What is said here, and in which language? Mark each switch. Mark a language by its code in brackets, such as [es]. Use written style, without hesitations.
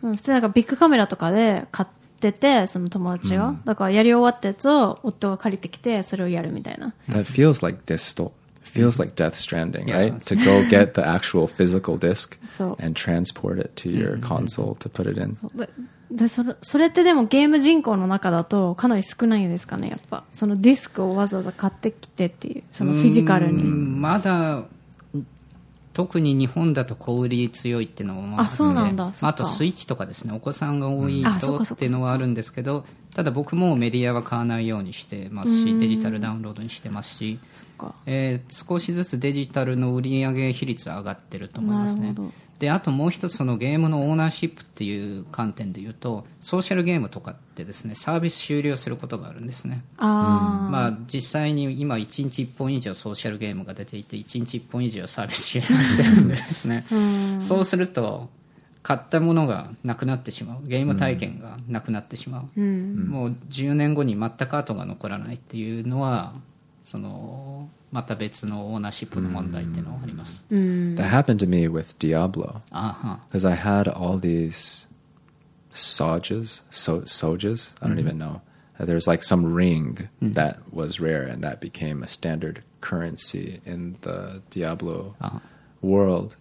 [ja] 普通なんかビッグカメラとかで買ってその友達が、うん、だからやり終わったやつを夫が借りてきてそれをやるみたいな。 [en] That feels like feels like Death Stranding, right? To go get the actual physical disc and transport it to your console to put it in. [ja] それってでもゲーム人口の中だとかなり少ないですかね、やっぱそのディスクをわざわざ買ってきてっていう、そのフィジカルに。まだ特に日本だと小売り強いっていうのもあるので、あとスイッチとかですね、お子さんが多いとっていうのはあるんですけど、ただ僕もメディアは買わないようにしてますし、デジタルダウンロードにしてますし、少しずつデジタルの売り上げ比率は上がってると思いますね。であともう一つ、そのゲームのオーナーシップっていう観点で言うと、ソーシャルゲームとかってですね、サービス終了することがあるんですね。まあ実際に今1日1本以上ソーシャルゲームが出ていて、1日1本以上サービス終了してるんですね。そうすると買ったものがなくなってしまう、ゲーム体験がなくなってしまう、もう10年後に全く跡が残らないっていうのは、そのまた別のオーナーシップの問題っていうのがあります。 [en] That happened to me with Diablo. Because I had all these soldiers. I don't even know. There's like some ring that was rare and that became a standard currency in the Diablo world.